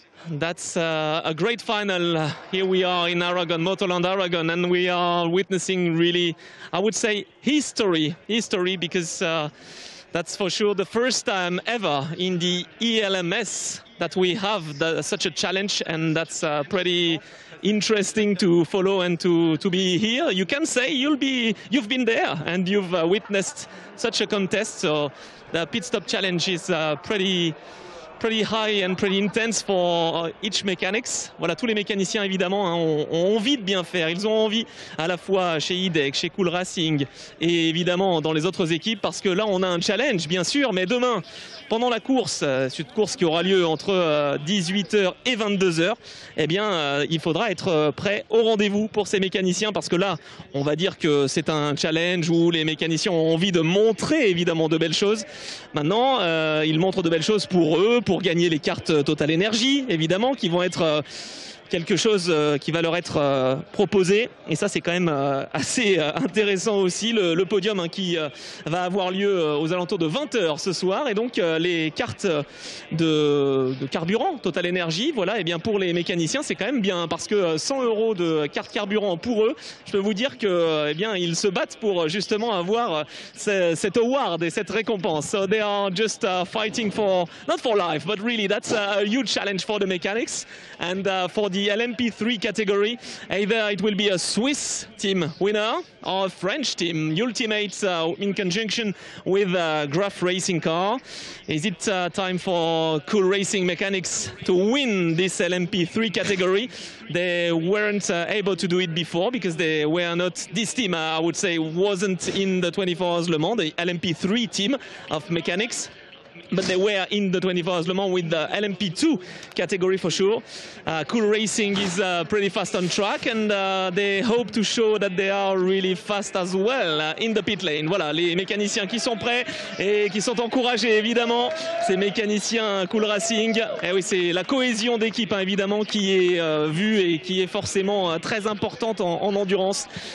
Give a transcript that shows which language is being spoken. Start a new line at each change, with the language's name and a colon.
English: That's a great final. Here we are in Aragon, Motorland Aragon, and we are witnessing really, I would say, history, because that's for sure the first time ever in the ELMS that we have such a challenge, and that's pretty interesting to follow and to be here. You can say you've been there and you've witnessed such a contest, so the pit stop challenge is pretty high and pretty intense for each mechanics.
French: Voilà, tous les mécaniciens évidemment ont envie de bien faire. Ils ont envie à la fois chez IDEC, chez Cool Racing et évidemment dans les autres équipes, parce que là on a un challenge bien sûr, mais demain pendant la course, cette course qui aura lieu entre 18h et 22h, eh bien il faudra être prêt au rendez-vous pour ces mécaniciens, parce que là on va dire que c'est un challenge où les mécaniciens ont envie de montrer évidemment de belles choses. Maintenant ils montrent de belles choses pour eux, pour gagner les cartes TotalEnergies, évidemment, qui vont être quelque chose qui va leur être proposé. Et ça, c'est quand même assez intéressant aussi, le podium hein, qui va avoir lieu aux alentours de 20h ce soir. Et donc, les cartes de carburant TotalEnergies, voilà, et bien pour les mécaniciens, c'est quand même bien, parce que 100€ de carte carburant pour eux, je peux vous dire que eh bien ils se battent pour justement avoir cet award et cette récompense.
English: So they are just fighting for, not for life, but really that's a huge challenge for the mechanics and for the LMP3 category. Either it will be a Swiss team winner or a French team, Ultimate in conjunction with a Graf Racing car. Is it time for Cool Racing Mechanics to win this LMP3 category? They weren't able to do it before because they were not, this team I would say wasn't in the 24 Hours Le Mans, the LMP3 team of mechanics. But they were in the 24 Hours Le Mans with the LMP2 category for sure. Cool Racing is pretty fast on track, and they hope to show that they are really fast as well in the pit lane.
French: Voilà, les mécaniciens qui sont prêts et qui sont encouragés, évidemment, ces mécaniciens Cool Racing. Eh oui, c'est la cohésion d'équipe, hein, évidemment, qui est vue et qui est forcément très importante en endurance.